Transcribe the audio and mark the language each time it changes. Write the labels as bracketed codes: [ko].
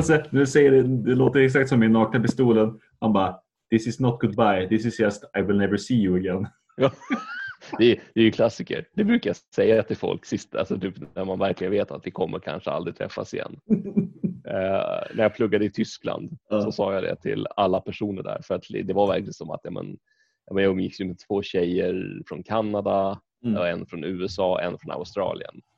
[sv] Nu säger det låter exakt som min nakna pistolen. Han bara, [en] this is not goodbye. This is just, I will never see you again. [sv] Det är ju klassiker. Det brukar jag säga till folk sist, alltså typ när man verkligen vet att vi kommer kanske aldrig träffas igen. När jag pluggade i Tyskland så sa jag det till alla personer där. För att det var verkligen som att jag umgicks med två tjejer från Kanada, och en från USA, en från Australien.